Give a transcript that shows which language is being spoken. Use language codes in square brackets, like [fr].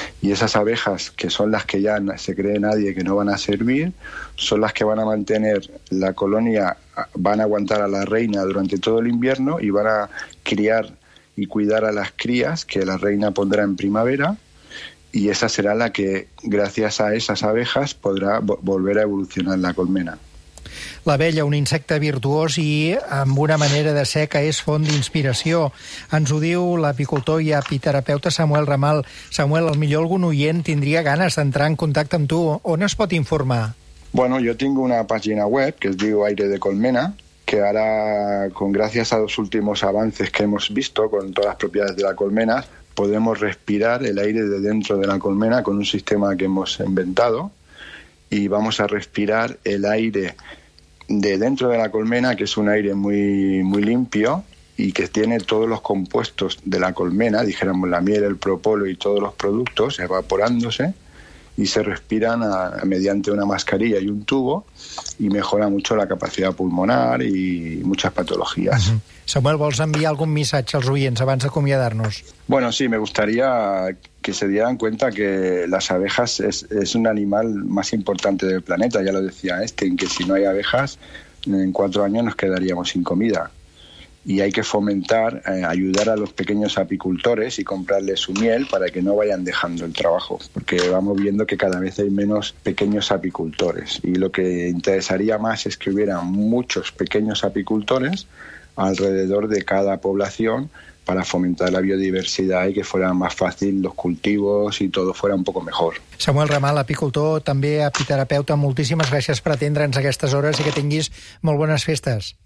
[es] Y esas abejas, que son las que ya se cree nadie que no van a servir, son las que van a mantener la colonia, van a aguantar a la reina durante todo el invierno y van a criar y cuidar a las crías que la reina pondrá en primavera, y esa será la que, gracias a esas abejas, podrá volver a evolucionar la colmena. [ca] L'abella, un insecte virtuós i amb una manera de ser que és font d'inspiració. Ens ho diu l'apicultor i apiterapeuta Samuel Ramal. Samuel, al millor algun oient tindria ganes d'entrar en contacte amb tu. On es pot informar? [es] Bueno, yo tengo una página web que [ca] es diu [es] Aire de Colmena, que ahora, con gracias a los últimos avances que hemos visto con todas las propiedades de la colmena, podemos respirar el aire de dentro de la colmena con un sistema que hemos inventado, y vamos a respirar el aire de dentro de la colmena, que es un aire muy, muy limpio y que tiene todos los compuestos de la colmena, dijéramos la miel, el propóleo y todos los productos evaporándose, y se respiran mediante una mascarilla y un tubo, y mejora mucho la capacidad pulmonar y muchas patologías. [ca] Samuel, ¿vols enviar algún missatge als oients abans d'acomiadar-nos? [es] Bueno, sí, me gustaría que se dieran cuenta que las abejas es un animal más importante del planeta, ya lo decía Einstein, que si no hay abejas, en 4 años nos quedaríamos sin comida. Y hay que fomentar, ayudar a los pequeños apicultores y comprarles su miel para que no vayan dejando el trabajo, porque vamos viendo que cada vez hay menos pequeños apicultores. Y lo que interesaría más es que hubiera muchos pequeños apicultores alrededor de cada población para fomentar la biodiversidad y que fuera más fácil los cultivos y todo fuera un poco mejor. [ca] Samuel Ramal, apicultor, també apiterapeuta, moltíssimes gràcies per atendre'ns aquestes hores i que tinguis molt bones festes.